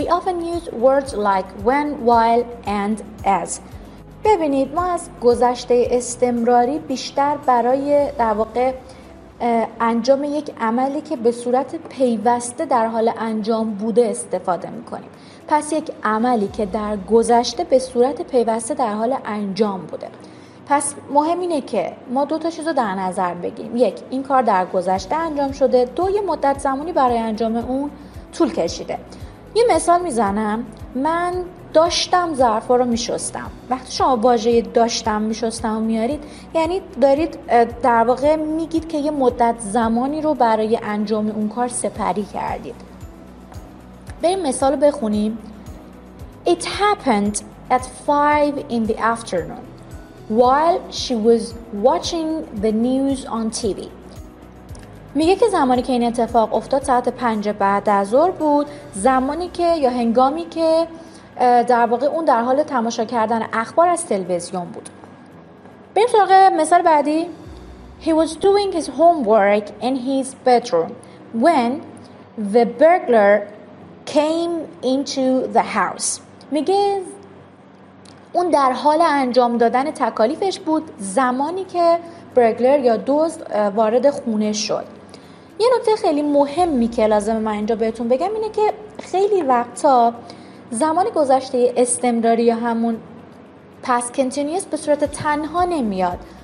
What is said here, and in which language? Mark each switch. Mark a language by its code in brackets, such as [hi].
[en] We often use words like when, while and as. [fa] ببینید ما از گذشته استمراری بیشتر برای در واقع انجام یک عملی که به صورت پیوسته در حال انجام بوده استفاده میکنیم. پس یک عملی که در گذشته به صورت پیوسته در حال انجام بوده. پس مهم اینه که ما دو تا چیز رو در نظر بگیریم. یک، این کار در گذشته انجام شده. دو، یه مدت زمانی برای انجام اون طول کشیده. یه مثال میزنم. من داشتم ظرفا رو میشستم. وقتی شما واژه داشتم میشستم میارید یعنی دارید در واقع میگید که یه مدت زمانی رو برای انجام اون کار سپری کردید. بریم مثال بخونیم. [en] It happened at 5 in the afternoon while she was watching the news on TV. [fa] میگه که زمانی که این اتفاق افتاد ساعت 5 بعد از ظهر بود، زمانی که یا هنگامی که در واقع اون در حال تماشا کردن اخبار از تلویزیون بود. بریم سراغ مثال بعدی. [en] He was doing his homework in his bedroom when the burglar came into the house. [fa] میگه اون در حال انجام دادن تکالیفش بود زمانی که برگلر یا دزد وارد خونه شد. یه نکته خیلی مهمی که لازمه من اینجا بهتون بگم اینه که خیلی وقتا زمان گذشته استمراری یا همون past continuous به صورت تنها نمیاد.